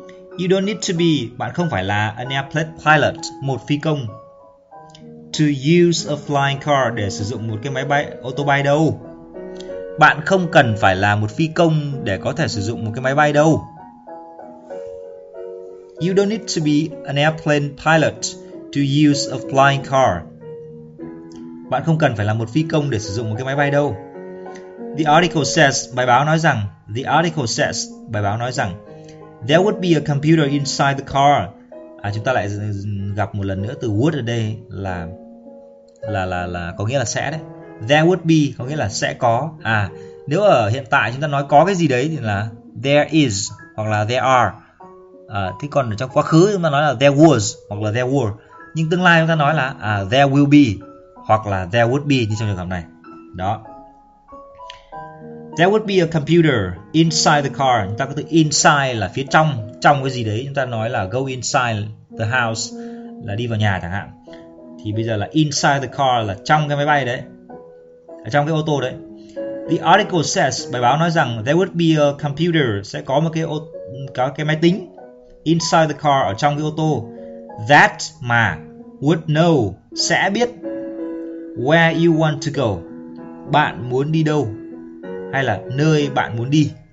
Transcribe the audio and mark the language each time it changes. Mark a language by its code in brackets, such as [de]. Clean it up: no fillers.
[en] You don't need to be, [vi] bạn không phải là [en] an airplane pilot, [vi] một phi công. [en] To use a flying car, [vi] để sử dụng một cái máy bay ô tô bay đâu. Bạn không cần phải là một phi công để có thể sử dụng một cái máy bay đâu. [en] You don't need to be an airplane pilot to use a flying car. [vi] Bạn không cần phải là một phi công để sử dụng một cái máy bay đâu. [en] The article says, [vi] bài báo nói rằng, [en] the article says, [vi] bài báo nói rằng, [en] there would be a computer inside the car. [vi] Chúng ta lại gặp một lần nữa từ would ở đây là có nghĩa là sẽ đấy. [en] There would be [vi] có nghĩa là sẽ có. Nếu ở hiện tại chúng ta nói có cái gì đấy thì là [en] there is [vi] hoặc là [en] there are. [vi] Thế còn ở trong quá khứ chúng ta nói là [en] there was [vi] hoặc là [en] there were. [vi] Nhưng tương lai chúng ta nói là [en] there will be [vi] hoặc là [en] there would be [vi] như trong trường hợp này. Đó. [en] There would be a computer inside the car. [vi] Chúng ta có từ inside là phía trong. Trong cái gì đấy chúng ta nói là [en] go inside the house, [vi] là đi vào nhà chẳng hạn. Thì bây giờ là [en] inside the car [vi] là trong cái máy bay đấy, ở trong cái ô tô đấy. [en] The article says, [vi] bài báo nói rằng [en] there would be a computer, [vi] sẽ có một cái cái máy tính [en] inside the car, [vi] ở trong cái ô tô, [en] that [vi] mà [en] would know, [vi] sẽ biết [en] where you want to go, [vi] bạn muốn đi đâu, hay là nơi bạn muốn đi.